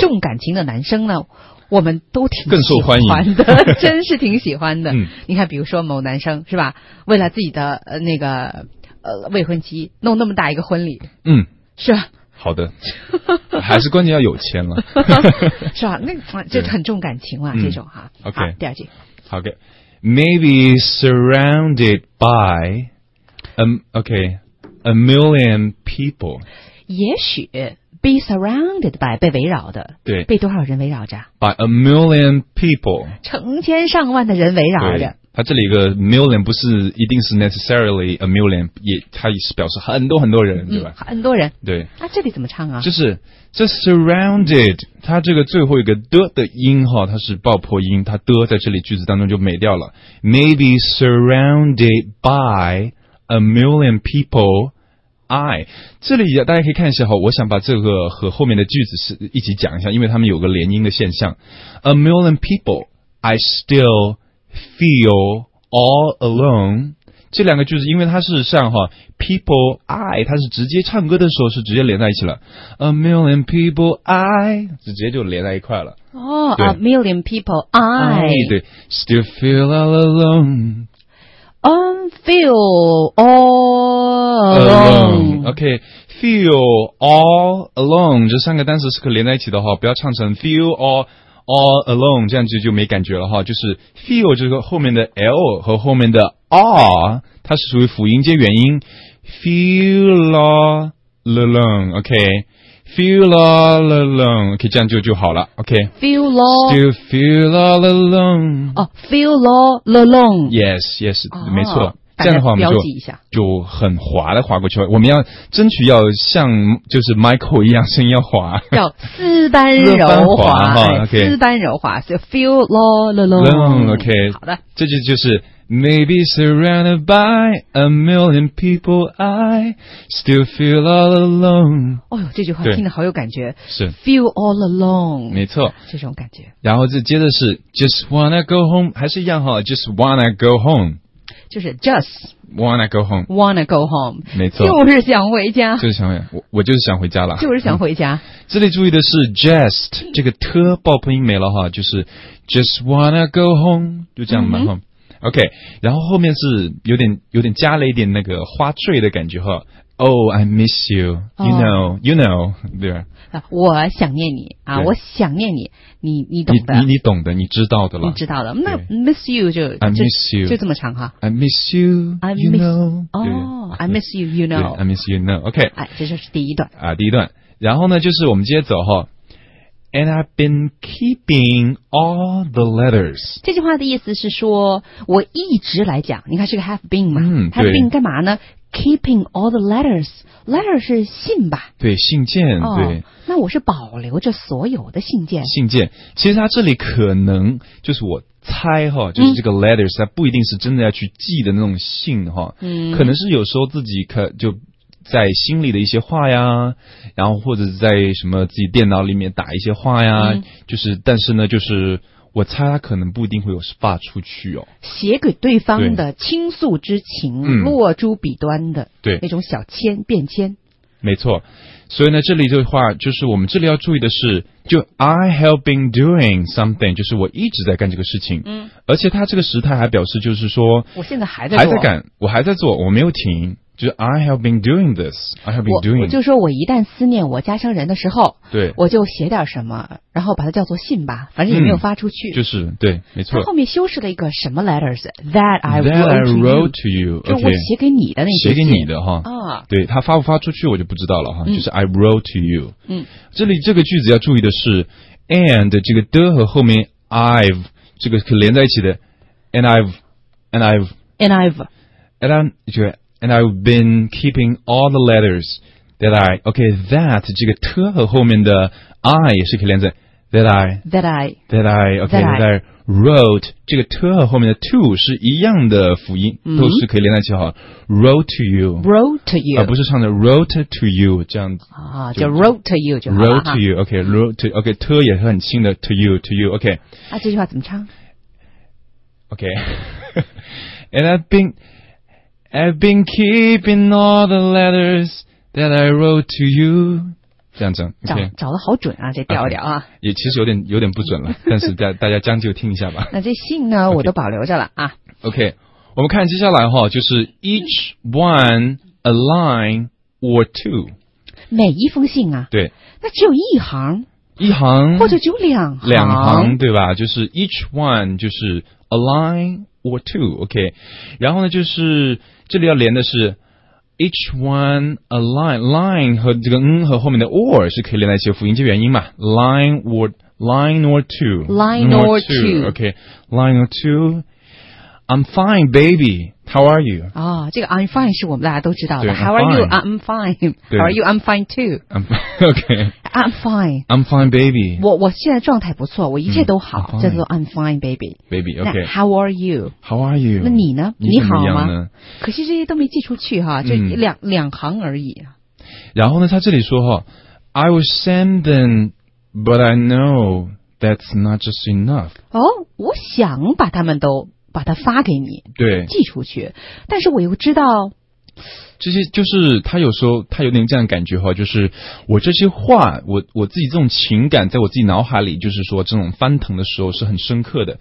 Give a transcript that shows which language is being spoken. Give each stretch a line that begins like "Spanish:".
Chinese: 重感情的男生呢，我们都挺更受欢迎的，真是挺喜欢的。嗯，你看，比如说某男生是吧，为了自己的那个未婚妻弄那么大一个婚礼，嗯，是吧？好的，还是关键要有钱了，是吧？那就很重感情了，嗯，这种哈。 OK，第二句。
English: OK， maybe surrounded by a million people，
Chinese: 也许
English: be surrounded by
Chinese: 被围绕的，对，被多少人围绕着
English: ？By a million people，
Chinese: 成千上万的人围绕着。它这里一个 million 不是一定是
English: necessarily a million，
Chinese: 也它也是表示很多很多人，对吧？嗯，很多人。对。那，啊，这里怎么唱啊？就是这 surrounded， 它这个最后一个的音哈，它是爆破音，它的在这里句子当中就没掉了。
English: Maybe surrounded by a million people。
Chinese: I 这里大家可以看一下哈，我想把这个和后面的句子是一起讲一下，因为他们有个连音的现象。
English: A million people， I still。 Feel all alone，
Chinese: 这两个句子，因为它是像哈 people I， 它是直接唱歌的时候是直接连在一起了。
English: A million people I，
Chinese: 直接就连在一块了。
English: 哦，oh, ，A million people I，对 ，still feel all alone， feel all alone， OK。 feel all alone
Chinese: 这三个单词是可连在一起的哈，不要唱成 feel all。
English: All alone，
Chinese: 这样就没感觉了哈。就是 feel 就是后面的 L 和后面的 R， 它是属于辅音接元音。
English: Feel all alone， OK。 Feel all alone， OK， 这样就好了， OK。 Feel all still feel all alone。哦， feel all alone。 Yes， yes，哦，
Chinese: 没错。这样的话我们就标记一下，就很滑的滑过去。我们要争取要像就是 Michael 一样声音要滑，叫丝般柔滑哈，丝、 okay、般柔滑，所以
English: feel low low low。 OK，
Chinese: 好的，这就是。
English: Maybe surrounded by a million people, I still feel all alone。
Chinese: 哦呦，这句话听得好有感觉，是
English: Feel all alone，
Chinese: 没错，这种感觉。然后这接着是
English: Just wanna go home，
Chinese: 还是一样哈， Just wanna go home，
English: 就是 Just wanna go home， wanna go home，
Chinese: 没错，就是想回家，就是想回家， 我就是想回家了，就是想回家、嗯、这里注意的是 Just 这个特爆破音没了哈，就是
English: Just wanna go home，
Chinese: 就这样蛮好、嗯OK， 然后后面是有点加了一点那个花坠的感觉哈。
English: Oh, I miss you. You know,、oh, you know, 对吧？
Chinese: 我想念你啊，我想念你，你懂的，你懂的，你知道的了，你知道的。那 miss you 就
English: I miss you
Chinese: 就这么长哈。
English: I miss you, you know. 哦、 oh, ，I miss you, you know. I miss you, you know. OK，
Chinese: 哎，这就是第一段啊，第一段。然后呢，就是我们接着走哈。
English: And I've been keeping all the letters.
Chinese: 这句话的意思是说，我一直来讲，你看是个 have been 嘛、嗯、
English: ，have been
Chinese: 干嘛呢
English: ？Keeping all the letters. Letter
Chinese: 是信吧？对，信件、哦。对。那我是保留着所有的信件。信件，其实它这里可能就是我猜哈，就是这个 letters，、嗯、它不一定是真的要去寄的那种信哈，嗯，可能是有时候自己可就。在心里的一些话呀，然后或者在什么自己电脑里面打一些话呀、嗯、就是但是呢就是我猜他可能不一定会有发出去哦，写给对方的倾诉之情、嗯、落诸笔端的对那种小签便签，没错。所以呢这里的话就是我们这里要注意的是，就
English: I have been doing something，
Chinese: 就是我一直在干这个事情，嗯，而且他这个时态还表示就是说我现在还在做，还在干，我还在做，我没有停，就是
English: I have been doing this, I have been doing.
Chinese: 我就说我一旦思念我家乡人的时候，对，我就写点什么，然后把它叫做信吧，反正也没有发出去。嗯、就是对，没错。他后面修饰了一个什么 letters
English: that I wrote to you，
Chinese: 就我写给你的那些信，写给你的哈。啊、哦，对他发不发出去我就不知道了哈、嗯。
English: 就是 I wrote to you。
Chinese: 嗯，这里这个句子要注意的是 ，and 这个的和后面 I've 这个可连在一起的 ，
English: and I've。 And I've been keeping all the letters that I okay that
Chinese: 这个特和后面的
English: I 也是可以连在 that I wrote 这个特和后面的 to 是一样的辅音、
Chinese: 嗯、都是可以连在一起哈
English: wrote to you
Chinese: 不是唱的 wrote to you 这样子啊就 wrote to you 就
English: wrote to you okay wrote to okay 特也是很轻的 to you okay
Chinese: 啊这句话怎么唱
English: okay and I've been keeping all the letters that I wrote to you.
Chinese: 这样子、okay、找得好准啊这调调啊。 Okay, 也其实有点不准了但是大家将就听一下吧。那这信呢、 okay、我都保留着了啊。 OK, 我们看接下来齁就是
English: each one, a line, or two.
Chinese: 每一封信啊。对。那只有一行。一行。或者只有两行。两行对吧就是
English: each one,
Chinese: 就是
English: a line,or two, okay.
Chinese: 然后呢就是这里要连的是
English: each one a line,
Chinese: line 和这个嗯和后面的 or 是可以连在一起的辅音，这原因嘛
English: line or two, okay. line or two, I'm fine, baby, how are you?
Chinese: 哦这个
English: I'm fine
Chinese: 是我们大家都知道的 how
English: are you? I'm fine, how are you? I'm fine too. Okay. I'm fine, baby.
Chinese: 我现在状态不错，我一切都好，嗯、叫做
English: I'm fine, baby. Baby, okay. How are you? How are you?
Chinese: 那你呢？你好吗？可惜这些都没寄出去哈，就两、嗯、两行而已。
English: 然后呢，他这里说哈 ，I will send them, but I know that's not just enough.
Chinese: 哦，我想把他们都把它发给你，对，寄出去，但是我又知道。这些就是他有时候他有点这样的感觉哈，就是我这些话我自己这种情感在我自己脑海里就是说这种翻腾的时候是很深刻的，